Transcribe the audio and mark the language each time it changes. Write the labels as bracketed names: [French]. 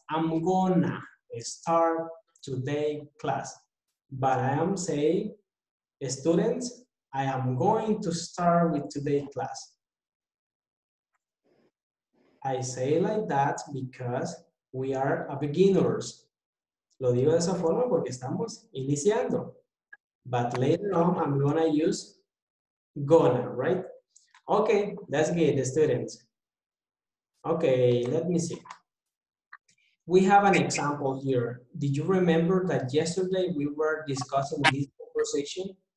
[English] I'm gonna start today class. But I am saying, Students, I am going to start with today's class. I say like that because we are a beginners. [Spanish] Lo digo de esa forma porque estamos iniciando. [English] But later on, I'm gonna use gonna, right? Okay, that's good, students. Okay, let me see. We have an example here. Did you remember that yesterday we were discussing this conversation?